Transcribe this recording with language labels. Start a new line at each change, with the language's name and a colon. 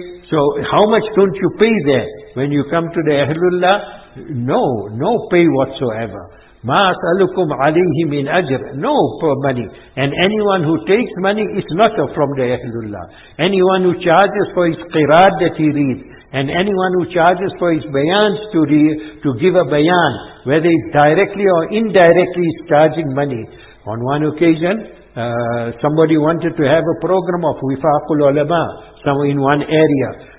English: So how much don't you pay there when you come to the Ahlullah? No pay whatsoever.
Arabic: مَا أَسْأَلُكُمْ عَلَيْهِ مِنْ أَجْرٍ
English: No for money. And anyone who takes money is not from the Ahlullah. Anyone who charges for his qirat that he reads, and anyone who charges for his bayans to give a bayan, whether it's directly or indirectly, is charging money. On one occasion, somebody wanted to have a program of Wifaqul Ulama in one area.